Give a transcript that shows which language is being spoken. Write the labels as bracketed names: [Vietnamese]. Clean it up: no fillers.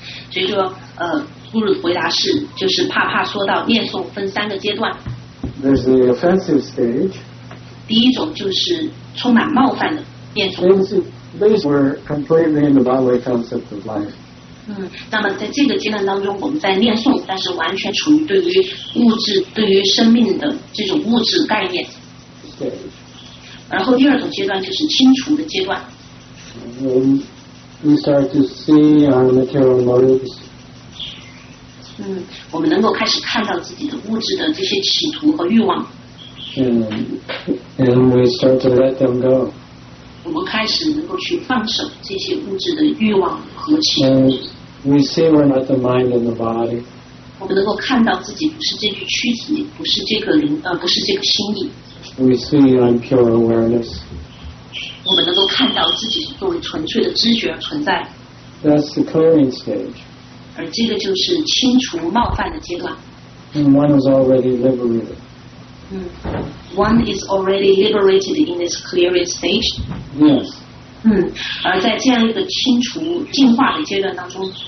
[Chinese] 所以说布鲁回答是，就是帕帕说到念诵分三个阶段。 [English] There's the offensive stage. [Chinese] 第一种就是充满冒犯的念诵。 [English] These were completely in the bodily concept of life. [Chinese] 那么在这个阶段当中，我们在念诵，但是完全处于对于物质、对于生命的这种物质概念。对。然后第二种阶段就是清除的阶段。 [English] We start to see our material motives. [Chinese] 我们能够开始看到自己的物质的这些企图和欲望。 [English] And we start to let them go. [Chinese] 我们开始能够去放手这些物质的欲望和企图。 [English] And we see we're not the mind and the body. [Chinese] 我们能够看到自己不是这具躯体，不是这个灵，不是这个心意。 [English] We see I'm pure awareness. [Chinese] 我们能够看到自己作为纯粹的知觉而存在。 [English] That's the clearing stage. [Chinese] 而这个就是清除冒犯的阶段。 [English] One is already liberated. One is already liberated in this clearing stage. Yes. [Chinese] 而在这样一个清除进化的阶段当中，